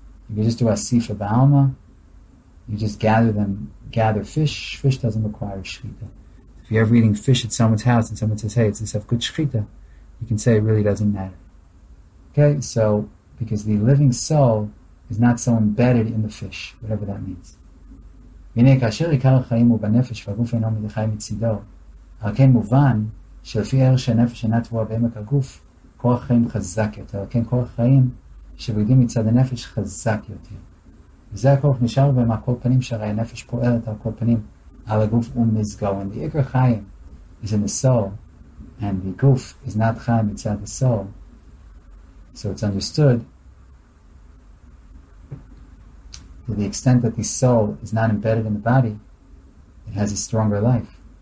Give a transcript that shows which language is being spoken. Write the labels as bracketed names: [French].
[English] You can just do Asifa Ba'alma, you just gather fish. Fish doesn't require Shechita. If you're ever eating fish at someone's house and someone says, hey, it's this have good shechita, you can say it really doesn't matter. Okay, so because the living soul is not so embedded in the fish, whatever that means. [Hebrew] הנה כאשר עיקר החיים הוא בנפש והגוף אינו מלחי מצידו, על כן מובן שלפי ערך שהנפש אינה תבועה בעמק הגוף, כוח חיים חזק יותר. על כן כוח חיים שבידים מצד הנפש חזק יותר. וזה הכוח נשאר בהם על כל פנים שהרי הנפש פועלת על כל פנים. [English] And the Iker Chaim is in the soul, and the Guf is not Chaim inside the soul. So it's understood to the extent that the soul is not embedded in the body, it has a stronger life.